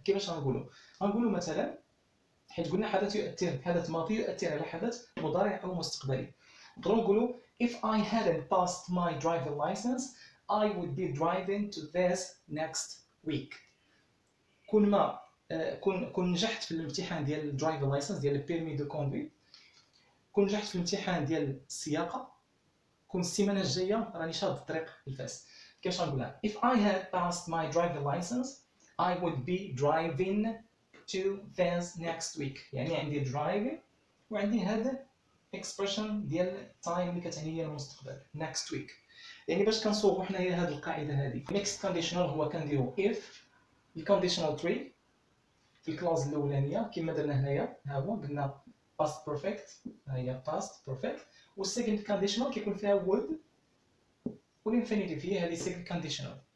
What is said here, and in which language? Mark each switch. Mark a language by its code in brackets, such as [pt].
[ar] كيفاش غنقولوا؟ غنقولوا مثلا، حيت قلنا حدث يؤثر، حدث ماضي يؤثر على حدث مضارع او مستقبلي، نقدروا نقولوا [en] if I hadn't passed my driving license I would be driving to this next week. [ar] كون ما كون نجحت في الامتحان ديال الدرايفر لايسنس ديال البيرمي دو كوندوي، كون نجحت في الامتحان ديال السياقه، كون السيمانه الجايه راني شاد الطريق لفاس. كيفاش نقولها؟ [en] if I had passed my driver license I would be driving to this next week. [ar] يعني عندي درايف وعندي هذا اكسبريشن ديال التايم اللي كتعني هي المستقبل [en] next week. [ar] يعني باش كنصوغوا حنايا هاد القاعده هذه، ميكس كونديشنال هو كنديروا اف الكونديشنال تري في الكلاوز الاولانيه كما درنا هنايا، ها هو قلنا past perfect، ها هي past perfect، والسيكند كونديشنال كيكون فيها would والانفينيتيف، هي هذه سيكند كونديشنال.